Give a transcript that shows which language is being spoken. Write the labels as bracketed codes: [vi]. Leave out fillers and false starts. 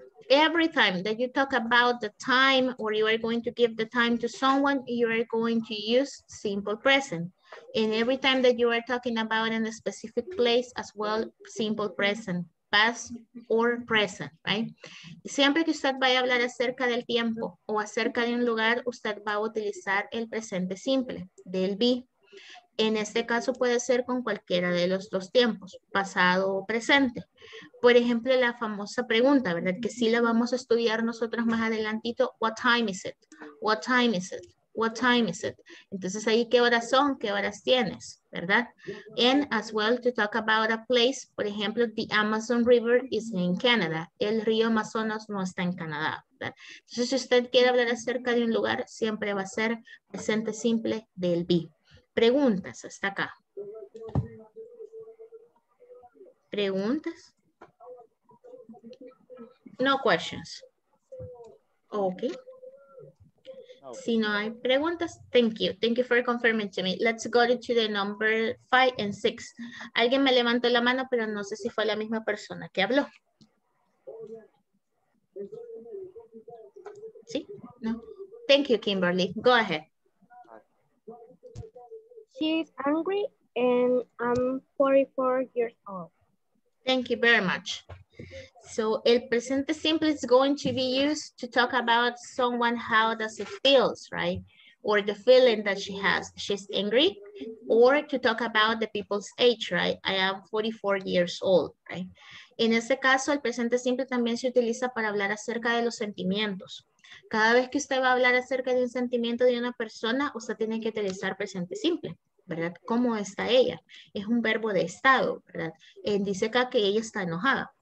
[en] Every time that you talk about the time or you are going to give the time to someone, you are going to use simple present. And every time that you are talking about in a specific place as well, simple present, past or present, right? [es] Siempre que usted vaya a hablar acerca del tiempo o acerca de un lugar, usted va a utilizar el presente simple, del be. En este caso puede ser con cualquiera de los dos tiempos, pasado o presente. Por ejemplo, la famosa pregunta, ¿verdad? Que sí la vamos a estudiar nosotros más adelantito. [en] What time is it? What time is it? What time is it? [es] Entonces ahí, ¿qué horas son? ¿Qué horas tienes? ¿Verdad? [en] And as well, to talk about a place, [es] por ejemplo, [en] the Amazon River is in Canada. [es] El río Amazonas no está en Canadá, ¿verdad? Entonces, si usted quiere hablar acerca de un lugar, siempre va a ser presente simple del be. Preguntas hasta acá. Preguntas. [en] No questions. Okay. [es] Si no hay preguntas, [en] thank you. Thank you for confirming to me. Let's go to the number 5 and 6. [es] Alguien me levantó la mano, pero no sé si fue la misma persona que habló. ¿Sí? No. [en] Thank you, Kimberly. Go ahead. She's angry and I'm 44 years old. Thank you very much. So, [es] el presente simple [en] is going to be used to talk about someone, how does it feels, right? Or the feeling that she has. She's angry. Or to talk about the people's age, right? I am 44 years old, right? [es] En ese caso, el presente simple también se utiliza para hablar acerca de los sentimientos. Cada vez que usted va a hablar acerca de un sentimiento de una persona, usted tiene que utilizar presente simple, ¿verdad? ¿Cómo está ella? Es un verbo de estado, ¿verdad? Dice acá que ella está enojada.